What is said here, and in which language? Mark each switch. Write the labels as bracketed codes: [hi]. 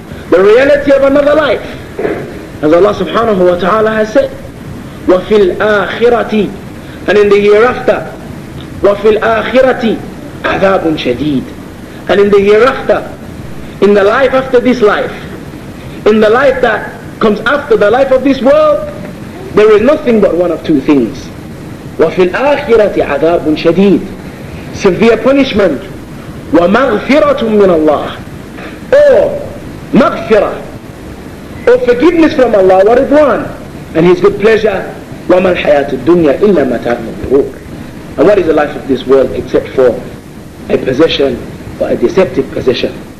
[en] The reality of another life. As Allah subhanahu wa ta'ala has said, [ar] وَفِي الْآخِرَةِ, [en] and in the hereafter, [ar] وَفِي الْآخِرَةِ عَذَابٌ شَدِيدٌ, [en] and in the hereafter, in the life after this life, in the life that comes after the life of this world, there is nothing but one of two things. [ar] وَفِي الْآخِرَةِ عَذَابٌ شَدِيدٌ, [en] severe punishment. [ar] وَمَغْفِرَةٌ مِّنَ اللَّهِ, [en] or [ar] مَغْفِرَةٌ, [en] or forgiveness from Allah, [ar] وَرِضْوَانٌ, [en] and His good pleasure. [ar] وَمَا الْحَيَاةُ الدُّنْيَا إِلَّا مَتَعْمُ الْغُرُورِ, [en] and what is the life of this world except for a possession, or a deceptive possession?